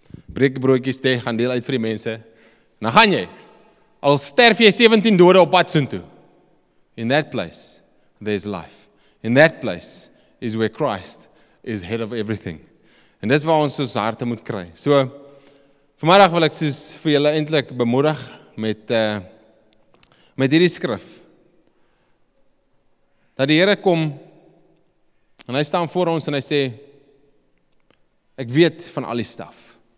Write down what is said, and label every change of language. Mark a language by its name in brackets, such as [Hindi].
[Afrikaans] Breek die broodjies te, gaan deel uit vir die mense. En dan gaan jy. Al sterf jy 17 dode op pad soontoe. [English] In that place, there is life. In that place is where Christ is head of everything. [Afrikaans] En dis waar ons ons harte moet kry. So, vanmiddag wil ek soos vir julle eintlik bemoedig met hierdie skrif. Dat die Here kom, en hy staan voor ons en hy sê, ek weet van al die staf.